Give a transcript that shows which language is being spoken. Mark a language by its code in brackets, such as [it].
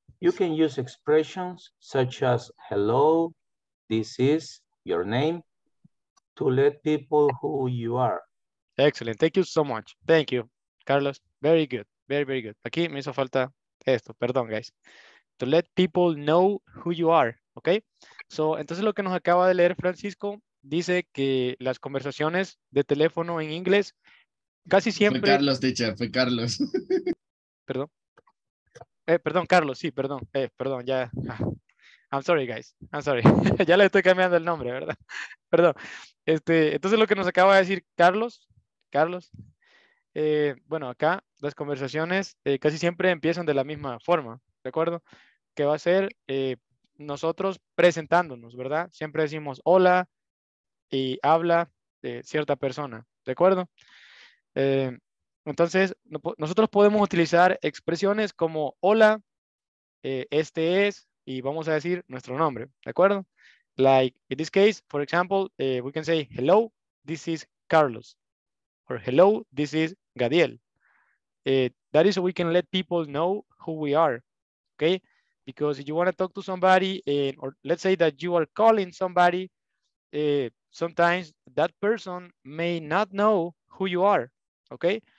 [en] You can use expressions such as hello, this is your name, to let people who you are. Excellent, thank you so much. Thank you, Carlos. Very good, very, very good. [es] Aquí me hizo falta esto, perdón, guys. [en] To let people know who you are, okay? [es] So, entonces lo que nos acaba de leer Francisco dice que las conversaciones de teléfono en inglés casi siempre... Fue Carlos, teacher, fue Carlos. Perdón. Perdón, Carlos, sí, perdón. Perdón, ya... [en] I'm sorry, guys. I'm sorry. [es] Ya le estoy cambiando el nombre, ¿verdad? Perdón. Entonces, lo que nos acaba de decir Carlos, bueno, acá las conversaciones casi siempre empiezan de la misma forma, ¿de acuerdo? Que va a ser nosotros presentándonos, ¿verdad? Siempre decimos hola, y habla de cierta persona, ¿de acuerdo? Entonces, nosotros podemos utilizar expresiones como hola, este es, y vamos a decir nuestro nombre, ¿de acuerdo? [en] Like, in this case, for example, we can say, hello, this is Carlos. Or hello, this is Gadiel. That is so we can let people know who we are, okay? Because if you want to talk to somebody, or let's say that you are calling somebody, sometimes that person may not know who you are, okay?